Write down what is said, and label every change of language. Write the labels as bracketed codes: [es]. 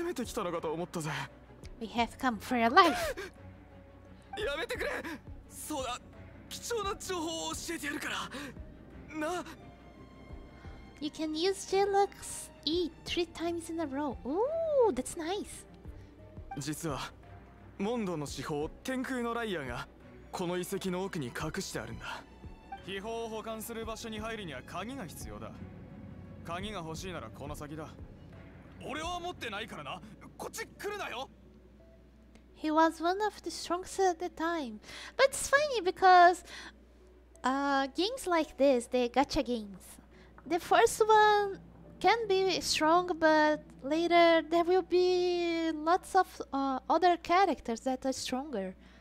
[en] We have come for your life. You can use Jilux's E 3 times in a row. Ooh, that's nice. [ja] 実はモンドの至宝天空のライヤーがこの遺跡の奥に隠してあるんだ。秘宝を保管する場所に入るには鍵が必要だ。鍵が欲しいならこの先だ。俺は持ってないからな。こっち来るなよ。 [en] He was one of the strongest at the time. But it's funny because games like this, the gacha games, the first one can be strong, but later there will be lots of other characters that are stronger.